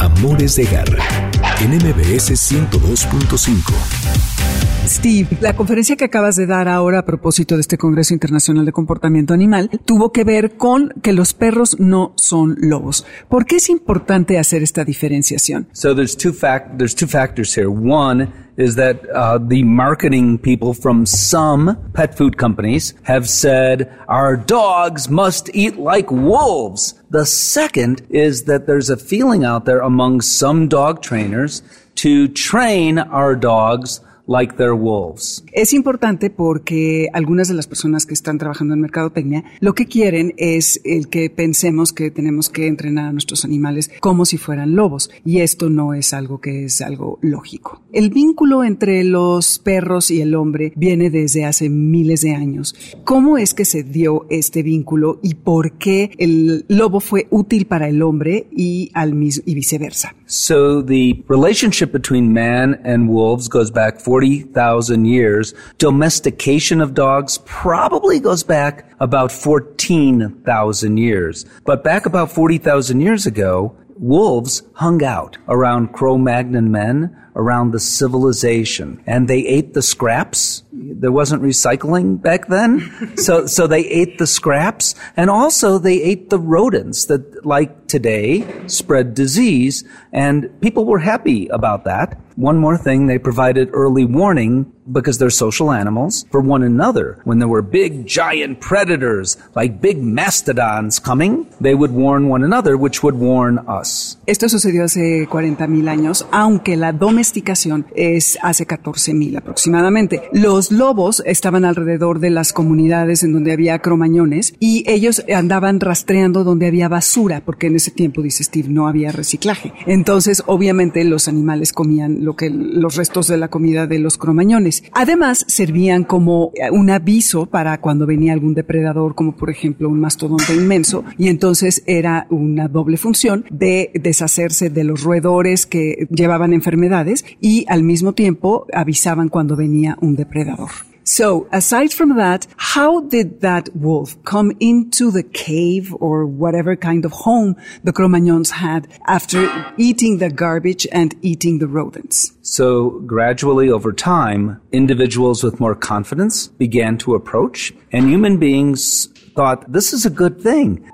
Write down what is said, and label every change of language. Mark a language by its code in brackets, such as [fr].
[es] Amores de Garra, en MBS 102.5. Steve, la conferencia que acabas de dar ahora a propósito de este Congreso Internacional de Comportamiento Animal tuvo que ver con que los perros no son lobos. ¿Por qué es importante hacer esta diferenciación? [en] So there's two factors here. One is that the marketing people from some pet food companies have said our dogs must eat like wolves. The second is that there's a feeling out there among some dog trainers to train our dogs like their wolves. [es] Es importante porque algunas de las personas que están trabajando en mercadotecnia lo que quieren es el que pensemos que tenemos que entrenar a nuestros animales como si fueran lobos, y esto no es algo que es algo lógico. El vínculo entre los perros y el hombre viene desde hace miles de años. ¿Cómo es que se dio este vínculo y por qué el lobo fue útil para el hombre y viceversa? [en] So the relationship between man and wolves goes back 40,000 years. Domestication of dogs probably goes back about 14,000 years. But back about 40,000 years ago, wolves hung out around Cro-Magnon men, around the civilization, and they ate the scraps. There wasn't recycling back then, so they ate the scraps, and also they ate the rodents that, like today, spread disease, and people were happy about that. One more thing, they provided early warning, because they're social animals, for one another. When there were big, giant predators, like big mastodons coming, they would warn one another, which would warn us. [es] Esto sucedió hace 40,000 años, aunque la domesticación es hace 14,000 aproximadamente. Los lobos estaban alrededor de las comunidades en donde había cromañones, y ellos andaban rastreando donde había basura, porque en ese tiempo, dice Steve, no había reciclaje. Entonces, obviamente, los animales comían los restos de la comida de los cromañones. Además, servían como un aviso para cuando venía algún depredador, como por ejemplo un mastodonte inmenso, y entonces era una doble función de deshacerse de los roedores que llevaban enfermedades, y al mismo tiempo avisaban cuando venía un depredador. [en] So, aside from that, how did that wolf come into the cave or whatever kind of home the Cro-Magnons had after eating the garbage and eating the rodents? So, gradually over time, individuals with more confidence began to approach, and human beings thought, this is a good thing.